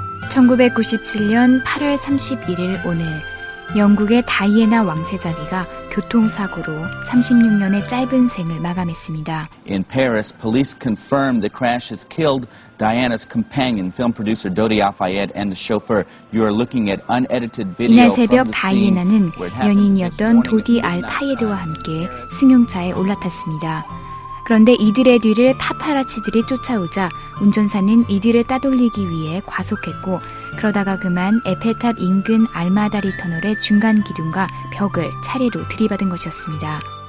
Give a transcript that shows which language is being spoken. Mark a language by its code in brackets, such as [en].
[ko] 1997년 8월 31일 오늘 영국의 다이애나 왕세자비가 교통사고로 36년의 짧은 생을 마감했습니다. [en] In Paris, police confirmed the crash has killed Diana's companion, film producer Dodi Al-Fayed, and the chauffeur. You are looking at unedited video. [ko] 이날 새벽 다이애나는 연인이었던 도디 알파예드와 함께 승용차에 올라탔습니다. 그런데 이들의 뒤를 파파라치들이 쫓아오자 운전사는 이들을 따돌리기 위해 과속했고 그러다가 그만 에펠탑 인근 알마다리 터널의 중간 기둥과 벽을 차례로 들이받은 것이었습니다.